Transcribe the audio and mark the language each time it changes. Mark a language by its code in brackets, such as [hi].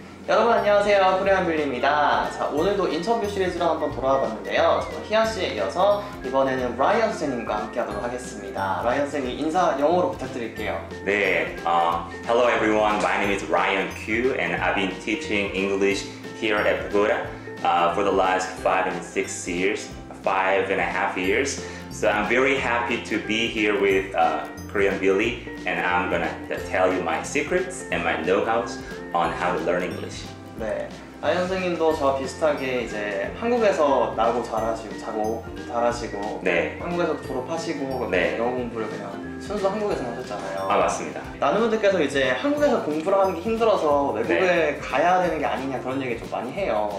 [ko] 여러분 안녕하세요, 코리안빌리입니다. 자, 오늘도 인터뷰 시리즈로 한번 돌아와 봤는데요. 희아씨에 이어서 이번에는 라이언 선생님과 함께 하도록 하겠습니다. 라이언 선생님 인사 영어로 부탁드릴게요. 네, [en] Hello everyone, my name is Ryan Q and I've been teaching English here at Pagoda for the last 5 and 6 years, 5 and a half years. So I'm very happy to be here with Korean Billy, and I'm gonna tell you my secrets and my know-hows on how to learn English. [ko] 네, 아이언 선생님도 저와 비슷하게 이제 한국에서 나고 자라시고 자고 자라시고, 네, 한국에서 졸업하시고, 네, 영어 공부를 그냥 순수 한국에서 하셨잖아요. 아, 맞습니다. 많은 분들께서 이제 한국에서 공부를 하는 게 힘들어서 외국에, 네, 가야 되는 게 아니냐 그런 얘기 좀 많이 해요.